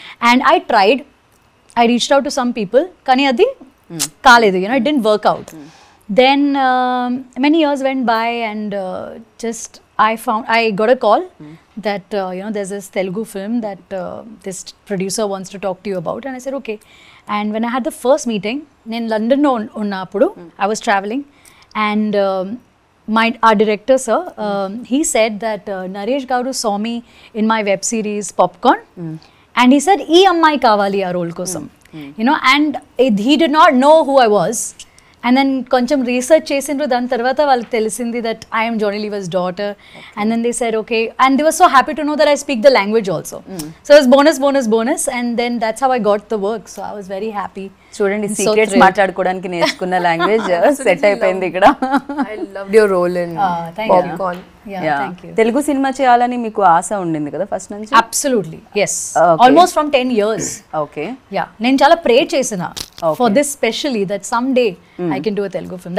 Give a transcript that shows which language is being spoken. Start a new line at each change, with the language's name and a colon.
English: and I tried, I reach out to some people,
Telugu: కానీ అది కాలేదు,
English: You know, it did work out. Then many years went by and just I found, I got a call that you know there is Telugu film that this producer wants to talk to you about and I said okay. And when I had the first meeting,
Telugu: నేను లండన్లో ఉన్నప్పుడు
English: I was travelling and my our director sir he said that Naresh garu saw me in my web series Popcorn and he said
Telugu: ee ammai kavali aa role kosam
English: you know and he did not know who I was and then
Telugu: koncham research chesindru dan tarvata valaku telisindi
English: that I am Johnny Lever's daughter and then they said okay and they were so happy to know that I speak the language also so it was bonus and then that's how I got the work so I was very happy.
Telugu: చూడండి, secrets మాట్లాడుకోవడానికి నేర్చుకున్న language set అయిపోయింది ఇక్కడ.
English: I loved your role in Popcorn.
Telugu: Telugu cinema చేయాలని మీకు ఆశ ఉండింది కదా first నుంచి?
English: Absolutely, yes, almost from 10 years. Okay, yeah,
Telugu: నేను చాలా ప్రే చేసిన
English: For this specially that some day I can do a Telugu film.